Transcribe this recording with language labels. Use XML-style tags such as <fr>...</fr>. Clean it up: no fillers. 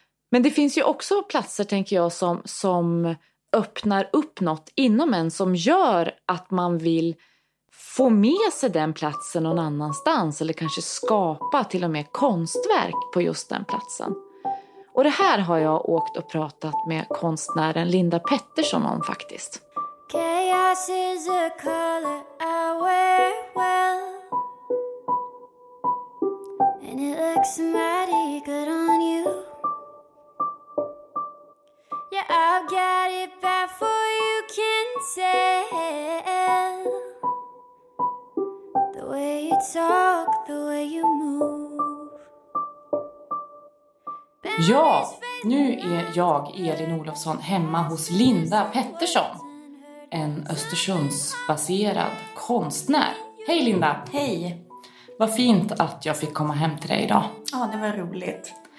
<sv>Men det finns ju också platser, tänker jag, som öppnar upp något inom en som gör att man vill få med sig den platsen någon annanstans eller kanske skapa till och med konstverk på just den platsen. Och det här har jag åkt och pratat med konstnären Linda Pettersson om faktiskt.</sv> <en>Chaos is a color I wear well. And it looks mighty good on you. Yeah, I've got it bad for you can tell. The way you talk, the way you move.</en> <sv>Ja, nu är jag, Elin Olofsson, hemma hos Linda Pettersson. En Östersundsbaserad konstnär. Hej Linda! Hej! Vad fint att jag fick komma hem till dig idag. Ja, det var roligt.</sv>